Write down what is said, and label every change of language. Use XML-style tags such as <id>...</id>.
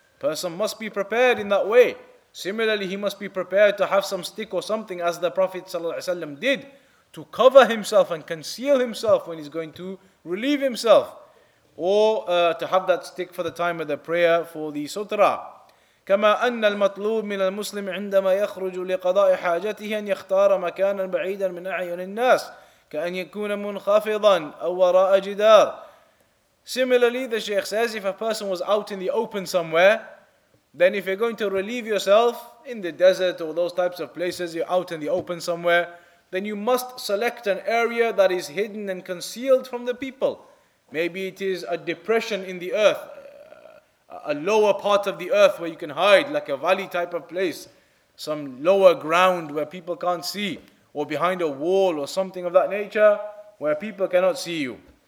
<en>Person must be prepared in that way. Similarly, he must be prepared to have some stick or something, as the Prophet ﷺ did, to cover himself and conceal himself when he's going to relieve himself. Or to have that stick for the time of the prayer for the sutra.</en> <ar>كما أن المطلوب من المسلم عندما يخرج لقضاء حاجته أن يختار مكانا بعيدا من أعين الناس كأن يكون منخفضا أو وراء جدار.</ar> <en>Similarly, the Shaykh says, if a person was out in the open somewhere, then if you're going to relieve yourself in the desert or those types of places, you're out in the open somewhere, then you must select an area that is hidden and concealed from the people. Maybe it is a depression in the earth, a lower part of the earth where you can hide, like a valley type of place, some lower ground where people can't see, or behind a wall or something of that nature where people cannot see you.</en>